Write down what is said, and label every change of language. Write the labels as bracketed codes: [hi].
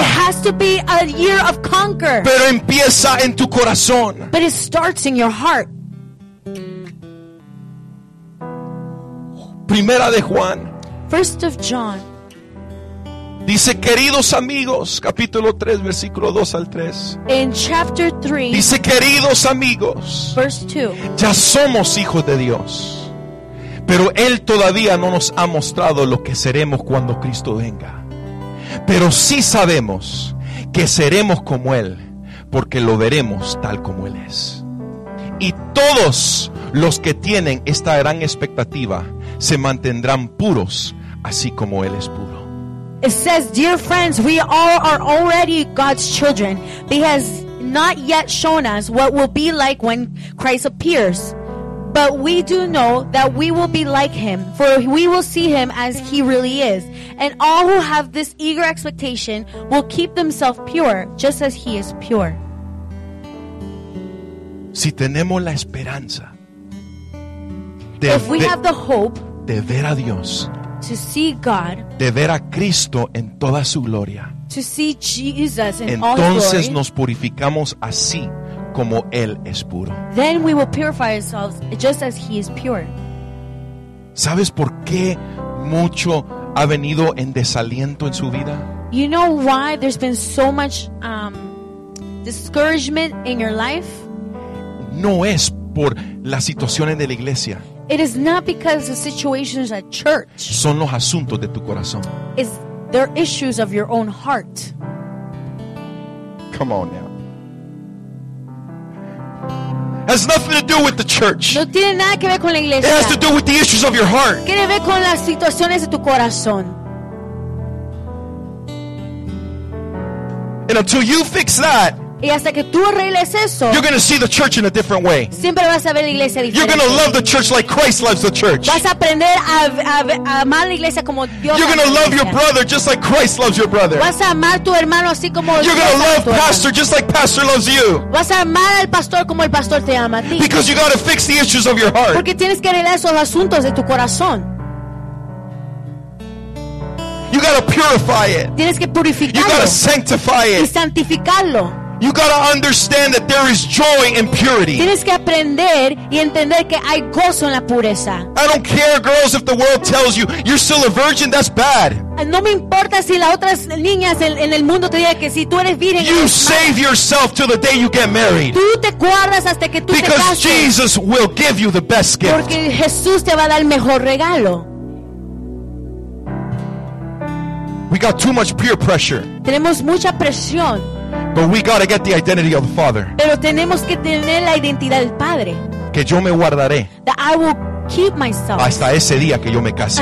[en] It has to be a year of conquer. [es] Pero empieza en tu corazón. [en] But it starts in your heart. [es] Primera de Juan. [en] First of John. [es] Dice, queridos amigos, capítulo 3, versículo 2 al 3. [en] In chapter 3. [es] Dice, queridos amigos. [en] Verse 2. [es] Ya somos hijos de Dios. Pero Él todavía no nos ha mostrado lo que seremos cuando Cristo venga. Pero sí sabemos que seremos como Él, porque lo veremos tal como Él es. Y todos los que tienen esta gran expectativa se mantendrán puros, así como Él es puro. [en] It says, dear friends, we all are already God's children, but He has not yet shown us what will be like when Christ appears. But we do know that we will be like Him, for we will see Him as He really is. And all who have this eager expectation will keep themselves pure, just as He is pure. [es] Si tenemos la esperanza [en] de If we have the hope [es] de ver a Dios, [en] to see God, [es] de ver a Cristo en toda su gloria, [en] to see Jesus in [es] entonces [en] all his glory, [es] nos purificamos así como Él es puro. [en] Then we will purify ourselves just as He is pure. [es] ¿Sabes por qué mucho ha venido en desaliento en su vida? [en] You know why there's been so much discouragement in your life? [es] No es por las situaciones de la iglesia. [en] It is not because of situations at church. [es] Son los asuntos de tu corazón. [en] It's their issues of your own heart. Come on now. Has nothing to do with the church. [es] No tiene nada que ver con la iglesia. [en] It has to do with the issues of your heart. [es] Tiene que ver con las situaciones de tu corazón. [en] And until you fix that, [es] y hasta que tú arregles eso, [en] you're going to see the church in a different way. [es] Siempre vas a ver la iglesia diferente. [en] You're going to love the church like Christ loves the church. [es] Vas a aprender a amar la iglesia como Dios ama. [en] You're going to love your brother just like Christ loves your brother. [es] Vas a amar tu hermano así como Dios. [en] You're going to love pastor just like pastor loves you. [es] Vas a amar al pastor como el pastor te ama a ti. [en] Because you got to fix the issues of your heart. [es] Porque tienes que arreglar esos asuntos de tu corazón. [en] You got to purify it. [es] Tienes que purificarlo. [en] You got to sanctify it. [es] Y santificarlo. [en] You gotta understand that there is joy in purity. [es] Tienes que aprender y entender que hay gozo en la pureza. [en] I don't care, girls, if the world tells you you're still a virgin. That's bad. [es] No me importa si las otras niñas en el mundo te digan que si tú eres virgen. [en] You save yourself till the day you get married. [es] Tú te guardas hasta que tú te cases. [en] Because Jesus will give you the best gift. [es] Porque Jesús te va a dar el mejor regalo. [en] We got too much peer pressure. [es] Tenemos mucha presión. [en] But we got to get the identity of the Father. Pero tenemos que tener la identidad del Padre. [es] Que yo me guardaré. [en] That I will keep myself. [es] Hasta ese día que yo me case.